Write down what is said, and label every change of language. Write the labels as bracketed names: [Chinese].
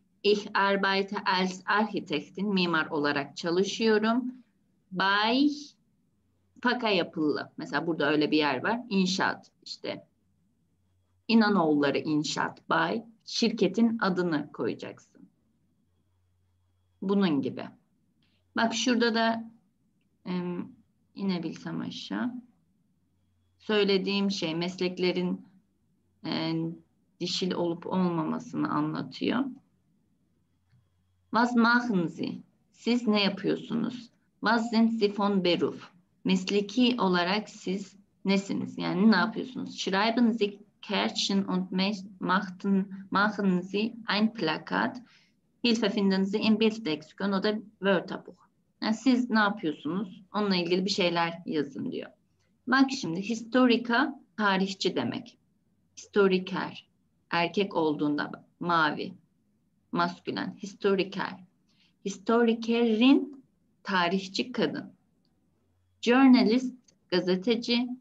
[German] Ich arbeite als Architektin. [Turkish] Mimar olarak çalışıyorum. Bei Faka yapılı. Mesela burada öyle bir yer var. İnşaat işte. İnanoğulları İnşaat Bay. Şirketin adını koyacaksın. Bunun gibi. Bak şurada da inebilsem aşağı. Söylediğim şey mesleklerin dişil olup olmamasını anlatıyor. [German] Was machen Sie? [Turkish] Siz ne yapıyorsunuz? [German] Was sind Sie von Beruf? [Turkish] Mesleki olarak siz nesiniz? Yani ne yapıyorsunuz? [German] Schreiben Sie Kärtchen und machen Sie ein Plakat. Hilfe finden Sie im Bildlexikon oder Wörterbuch. [Turkish] Yani siz ne yapıyorsunuz? Onunla ilgili bir şeyler yazın diyor. Bak şimdi historica tarihçi demek. Historiker erkek olduğunda mavi. Maskülen. Historiker. Historikerin tarihçi kadın. Journalist gazeteci.